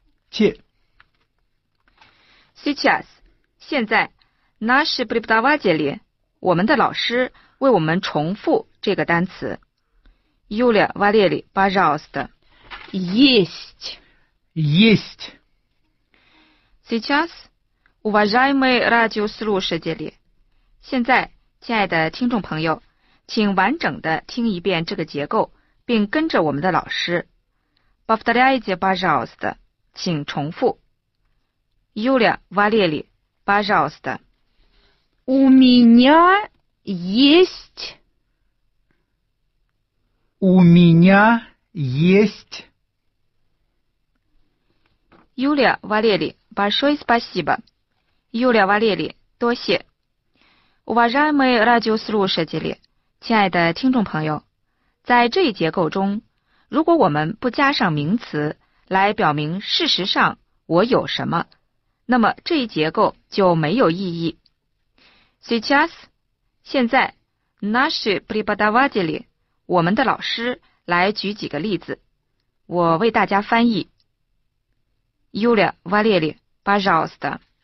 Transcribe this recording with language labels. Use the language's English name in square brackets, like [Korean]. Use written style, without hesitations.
[Russian] t сейчас。 [Chinese] 现在 [Russian] наши преподаватели [Chinese] 我们的老师为我们重复这个单词 [Russian] Юля, Валерий, пожалуйста. есть。 Есть. Сейчас, уважаемые радиослушатели, [Chinese] 现在亲爱的听众朋友，请完整的听一遍这个结构，并跟着我们的老师。 [Russian] Повторяйте, пожалуйста. [Chinese] 请重复。 [Russian] Юля, Валерий, пожалуйста. У меня есть. У меня есть. Юля, Валерий, большое спасибо. Юля, Валерий, [Chinese] 多谢。 [Russian] Уважаемые радиослушатели, [Chinese] 亲爱的听众朋友，在这一结构中，如果我们不加上名词来表明事实上我有什么，那么这一结构就没有意义。 [Russian] Сейчас, [Chinese] 现在 [Russian] наши преподаватели, [Chinese] 我们的老师来举几个例子，我为大家翻译。 [Russian] Юля, Валерий, пожалуйста.